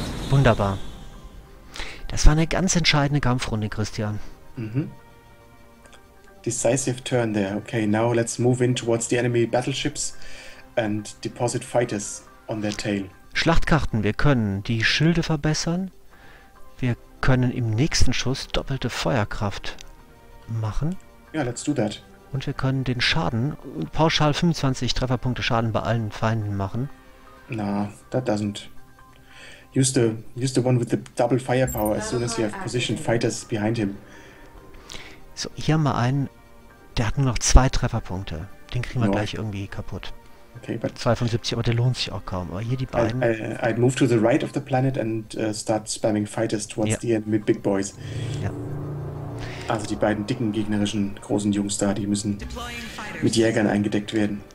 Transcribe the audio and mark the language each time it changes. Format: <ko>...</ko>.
<de>Wunderbar. Das war eine ganz entscheidende Kampfrunde, Christian.</de> <en>Mhm. Decisive turn there. Okay, now let's move in towards the enemy battleships and deposit fighters on their tail.</en> <de>Schlachtkarten. Wir können die Schilde verbessern. Wir können im nächsten Schuss doppelte Feuerkraft machen.</de> <en>Ja, let's do that.</en> <de>Und wir können den Schaden, pauschal 25 Trefferpunkte Schaden bei allen Feinden machen.</de> <en>Na, that doesn't. Use the one with the double firepower as soon as you have positioned fighters behind him.</en> <de>So, hier haben wir einen, der hat nur noch 2 Trefferpunkte. Den kriegen wir gleich irgendwie kaputt.</de> <en>Okay, but</en> <de>72, aber der lohnt sich auch kaum. Aber hier die beiden.</de> <en>I'd move to the right of the planet and start spamming fighters towards the end with big boys.</en> <de>Ja. Also die beiden dicken gegnerischen großen Jungs da, die müssen mit Jägern eingedeckt werden.</de>